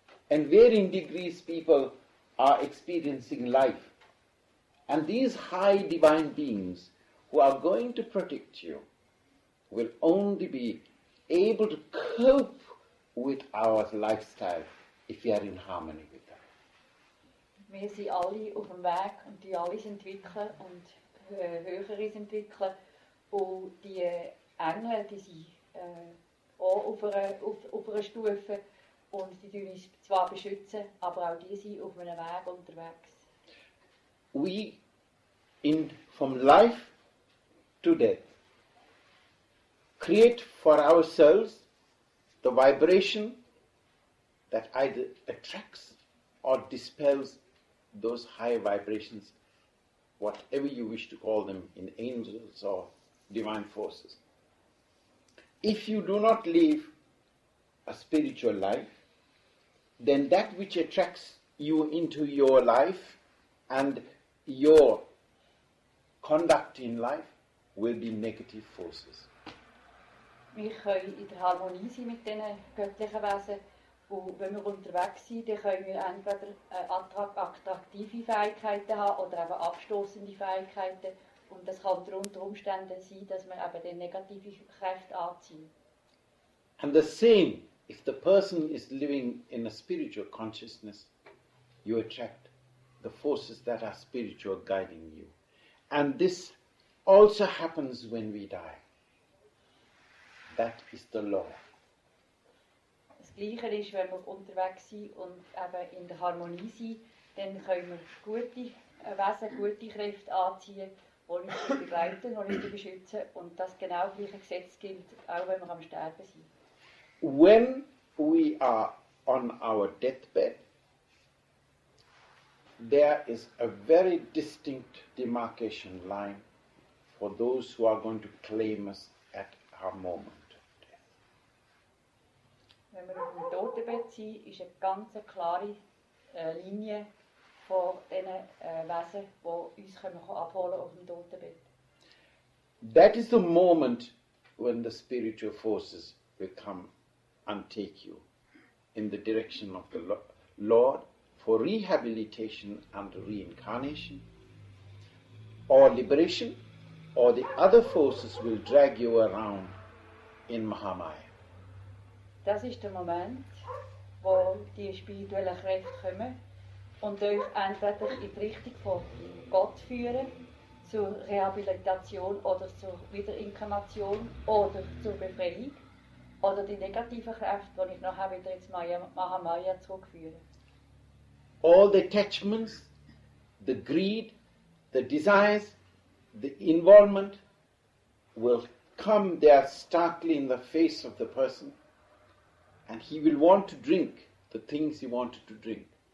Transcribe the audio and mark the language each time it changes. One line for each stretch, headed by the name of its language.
English: And varying degrees people are experiencing life. And these high divine beings who are going to protect you will only be able to cope with our lifestyle if we are in harmony with them.
German: Wir sind alle auf dem Weg und die alle entwickeln und höheres entwickeln. Und die Engel, die sind auch auf einer Stufe und die tun uns zwar beschützen, aber auch die sind auf einem Weg unterwegs.
English: We in from life to death create for ourselves the vibration that either attracts or dispels those high vibrations, whatever you wish to call them, in angels or divine forces. If you do not live a spiritual life, then that which attracts you into your life and your conduct in life will be negative forces.
German: Wir können in der Harmonie sein mit diesen göttlichen Wesen. Und wenn wir unterwegs sind, dann können wir entweder attraktive Fähigkeiten haben oder eben abstoßende Fähigkeiten. Und das kann unter Umständen sein, dass wir eben den negativen Kräften anziehen.
English: And the same, if the person is living in a spiritual consciousness, you attract the forces that are spiritual guiding you. And this also happens when we die. That is the law.
German: Das Gleiche ist, wenn wir unterwegs sind und eben in der Harmonie sind, dann können wir gute Wesen, gute Kräfte anziehen, die uns begleiten, die uns beschützen. Und das genau gleiche Gesetz gilt, auch wenn wir am Sterben sind.
English: When we are on our deathbed, there is a very distinct demarcation line for those who are going to claim us at our moment.
German: Wenn wir auf dem Totenbett sind, ist eine ganz klare Linie von diesen Wesen, die uns können abholen auf dem Totenbett.
English: That is the moment when the spiritual forces will come and take you in the direction of the Lord for rehabilitation and reincarnation or liberation, or the other forces will drag you around in Mahamaya.
German: Das ist der Moment, wo die spirituellen Kräfte kommen und euch entweder in die Richtung von Gott führen, zur Rehabilitation oder zur Wiederinkarnation oder zur Befreiung, oder die negativen Kräfte, die ich nachher wieder ins Mahamaya zurückführen.
English: All the attachments, the greed, the desires, the involvement will come there starkly in the face of the person. And he will want to drink the things he wanted to drink.